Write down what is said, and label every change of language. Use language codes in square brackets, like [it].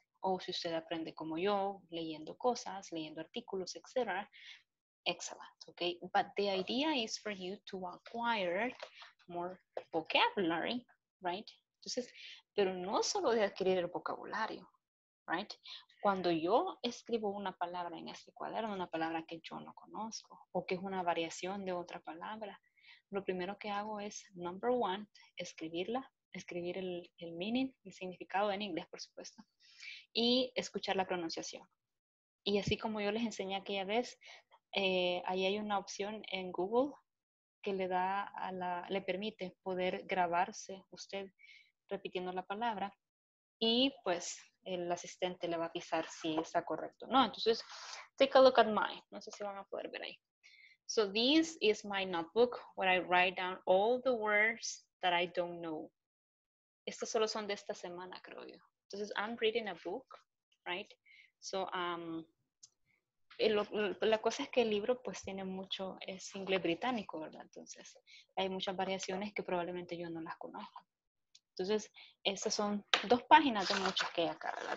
[es] O si usted aprende como yo, leyendo cosas, leyendo artículos, etc., [en] excellent, okay? But the idea is for you to acquire more vocabulary, right? [es] Entonces, pero no solo de adquirir el vocabulario, [en] right? [es] Cuando yo escribo una palabra en este cuaderno, una palabra que yo no conozco o que es una variación de otra palabra, lo primero que hago es, number one, escribirla, escribir el meaning, el significado en inglés, por supuesto, y escuchar la pronunciación. Y así como yo les enseñé aquella vez, ahí hay una opción en Google que le da a la, le permite poder grabarse usted repitiendo la palabra y pues el asistente le va a avisar si está correcto. No, entonces, [en] take a look at mine. [es] No sé si van a poder ver ahí. [en] So this is my notebook where I write down all the words that I don't know. [es] Estos solo son de esta semana, creo yo. Entonces, [en] I'm reading a book, right? [es] So, la cosa es que el libro pues tiene mucho, es inglés británico, ¿verdad? Entonces, hay muchas variaciones que probablemente yo no las conozco. Entonces, esas son dos páginas de muchas que hay acá, ¿verdad?